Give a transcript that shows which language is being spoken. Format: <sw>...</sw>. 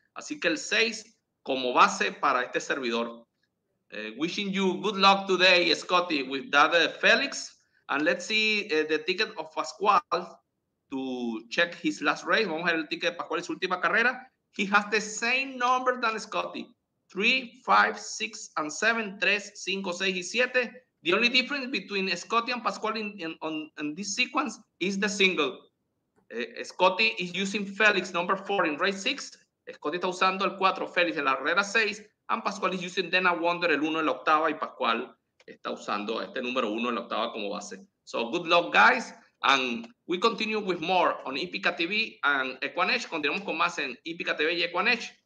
<es>Así que el 6 como base para este servidor.</es> <en>Wishing you good luck today, Scotty, with that Felix. And let's see the ticket of Pascual to check his last race.</en> <es>Vamos a ver el ticket de Pascual, su última carrera.</es> <en>He has the same number than Scotty. 3, 5, 6, and 7. 3, 5, 6, and 7. The only difference between Scotty and Pascual in this sequence is the single. Scotty is using Felix, number 4, in race 6.</en> <es>Scotty está usando el 4, Felix, en la carrera 6.</es> <en>And Pascual is using Dena Wonder,</en> <es>el 1, en la octava. Y Pascual está usando este número 1 en la octava como base.</es> <en>So, good luck, guys. And we continue with more on Hipica TV and EquanEdge.</en> <es>Continuamos con más en Hipica TV y EquanEdge.</es>